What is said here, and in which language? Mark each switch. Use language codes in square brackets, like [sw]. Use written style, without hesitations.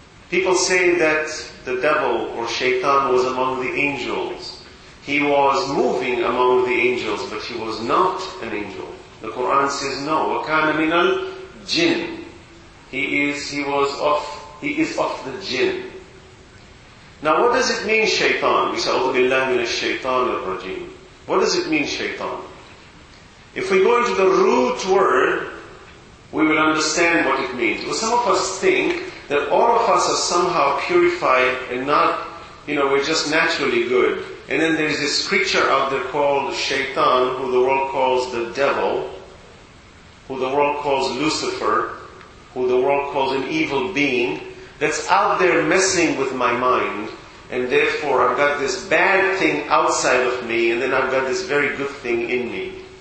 [en] People say that the devil or shaitan was among the angels. He was moving among the angels, but he was not an angel. The Quran says no. [ar] وَكَانَ مِنَ الْجِنِ. [en] He is of the jinn. Now what does it mean, shaitan? We say, [ar] أَعُوذُ بِاللَّهِ مِنَ الشَّيْطَانِ الرَّجِيمِ. [en] What does it mean, shaitan? If we go into the root word, we will understand what it means. Well, some of us think that all of us are somehow purified and not, you know, we're just naturally good. And then there's this creature out there called Shaitan, who the world calls the devil, who the world calls Lucifer, who the world calls an evil being, that's out there messing with my mind, and therefore I've got this bad thing outside of me, and then I've got this very good thing in me.